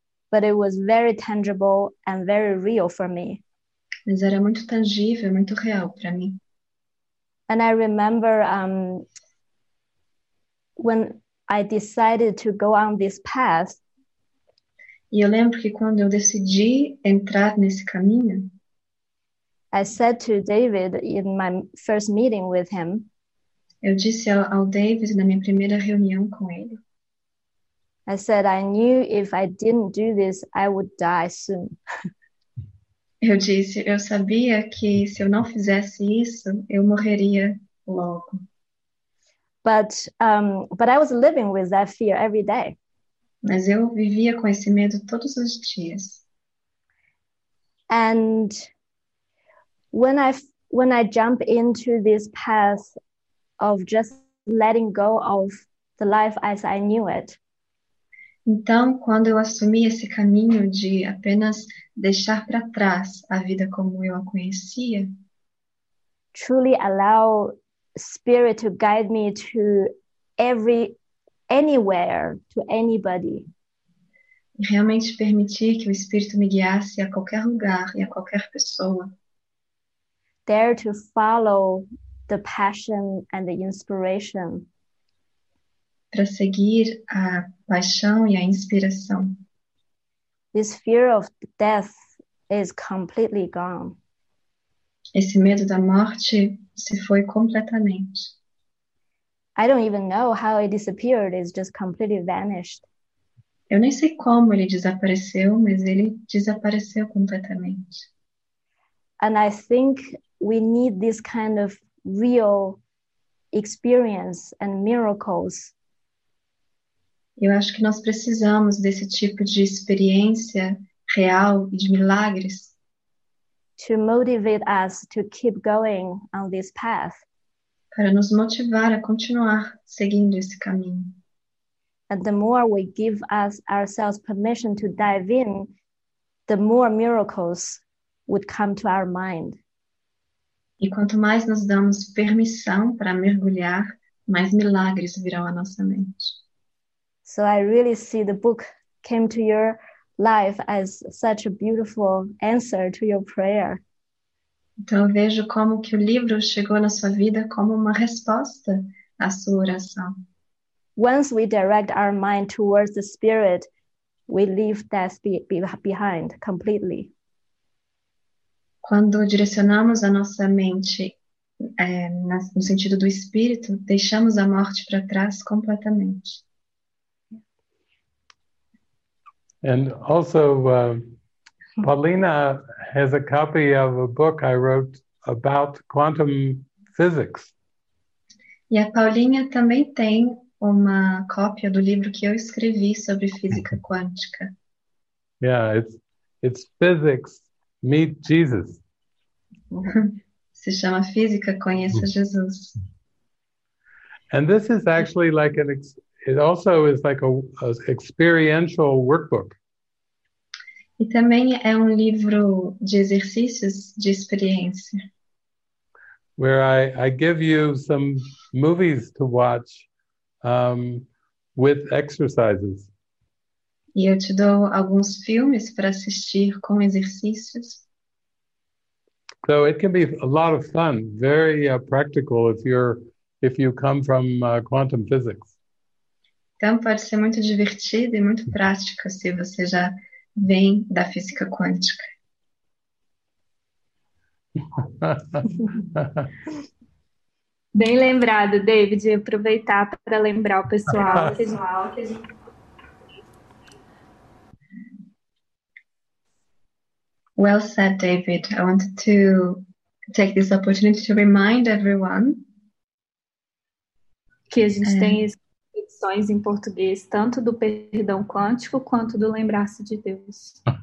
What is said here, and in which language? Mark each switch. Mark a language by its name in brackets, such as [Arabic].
[English] But it was very tangible and very real for me. [Portuguese] Mas era muito tangível, muito real para mim. [English] And I remember when I decided to go on this path. [Portuguese] E eu lembro que quando eu decidi entrar nesse caminho, [English] I said to David in my first meeting with him. [Portuguese] Eu disse ao David na minha primeira reunião com ele. [English] I said, I knew if I didn't do this, I would die soon. [Portuguese] Eu disse, eu sabia que se eu não fizesse isso, eu morreria logo. [English] But I was living with that fear every day. [Portuguese] Mas eu vivia com esse medo todos os dias. [English] And when I jump into this path of just letting go of the life as I knew it, [Portuguese] então, quando eu assumi esse caminho de apenas deixar para trás a vida como eu a conhecia, [English] truly allow spirit to guide me to anywhere, to anybody. [Portuguese] e realmente permitir que o Espírito me guiasse a qualquer lugar e a qualquer pessoa. [English] Dare to follow the passion and the inspiration. [Portuguese] Para seguir a paixão e a inspiração. [English] This fear of death is completely gone. [Portuguese] Esse medo da morte se foi completamente. [English] I don't even know how it disappeared. It's just completely vanished. [Portuguese] Eu nem sei como ele desapareceu, mas ele desapareceu completamente. [English] And I think we need this kind of real experience and miracles. [Portuguese] Eu acho que nós precisamos desse tipo de experiência real e de milagres [English] To motivate us to keep going on this path. [Portuguese] para nos motivar a continuar seguindo esse caminho. [English] And the more we give us ourselves permission to dive in, the more miracles would come to our mind. [Portuguese] E quanto mais nos damos permissão para mergulhar, mais milagres virão à nossa mente. [English] So I really see the book came to your life as such a beautiful answer to your prayer. [Portuguese] Então, eu vejo como que o livro chegou na sua vida como uma resposta à sua oração. [English] Once we direct our mind towards the spirit, we leave death behind completely. [Portuguese] Quando direcionamos a nossa mente, no sentido do espírito, deixamos a morte para trás completamente. [English] And also, Paulina has a copy of a book I wrote about quantum physics. [Portuguese] E a Paulinha também tem uma cópia do livro que eu escrevi sobre física quântica. [English] Yeah, it's physics meet Jesus. [Portuguese] Se chama Física Conheça Jesus. [English] And this is actually like an ex it also is like a experiential workbook. [Portuguese] E também é um livro de exercícios de experiência. [English] Where I give you some movies to watch with exercises. [Portuguese] E eu te dou alguns filmes para assistir com exercícios. [English] So it can be a lot of fun, very practical if you come from quantum physics. [Portuguese] Então pode ser muito divertido e muito prático se você já vem da física quântica. Bem lembrado, David, aproveitar para lembrar o pessoal que a gente. [English] Well said, David. I wanted to take this opportunity to remind everyone [Portuguese] que a gente tem expressões em português, tanto do perdão quântico quanto do lembrar-se de Deus.